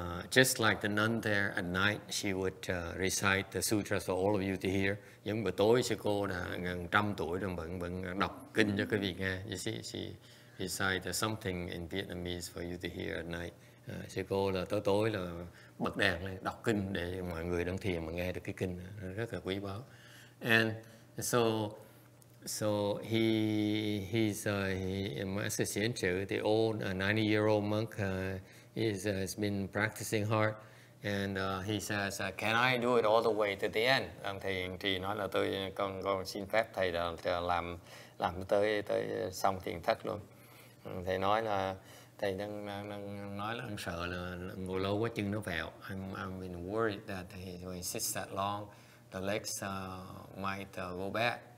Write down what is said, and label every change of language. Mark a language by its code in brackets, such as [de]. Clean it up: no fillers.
[en] Just like the nun there at night, she would recite the sutras for all of you to hear. [vi] Những buổi tối sư cô đã gần trăm tuổi rồi vẫn đọc kinh cho quý vị nghe. [en] You see, she recited something in Vietnamese for you to hear at night. [vi] Sư cô là tối là bật đèn lên đọc kinh để mọi người đang thiền mà nghe được cái kinh, rất là quý báu. [en] And so he's the old 90-year-old monk. He's been practicing hard, and he says, "Can I do it all the way to the end?" [vi] Ông thầy hiện trì nói là tôi con xin phép thầy là làm tới xong thiền thất luôn. Thầy nói là thầy đang nói là ông sợ là ngồi lâu quá chân nó vẹo. [en] I'm been worried that he will sit that long, the legs might go bad.